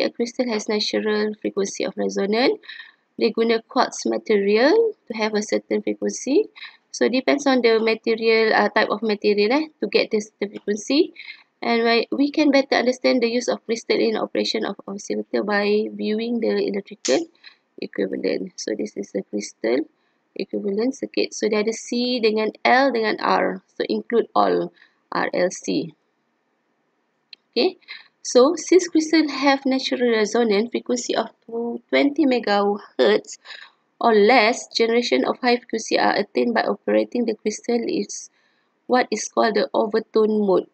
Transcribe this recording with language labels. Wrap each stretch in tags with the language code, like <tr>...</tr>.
<en>A crystal has natural frequency of resonance. They</en> <ms>guna</ms> <en>quartz material to have a certain frequency. So, depends on the material, type of material to get this certain frequency. And we can better understand the use of crystal in operation of oscillator by viewing the electrical equivalent. So, this is the crystal equivalent circuit.</en> <ms>So, dia ada C dengan L dengan R.</ms> <en>So, include all RLC. Okay, so since crystal have natural resonant frequency of 20 megahertz or less, generation of high frequency are attained by operating the crystal is what is called the overtone mode.</en>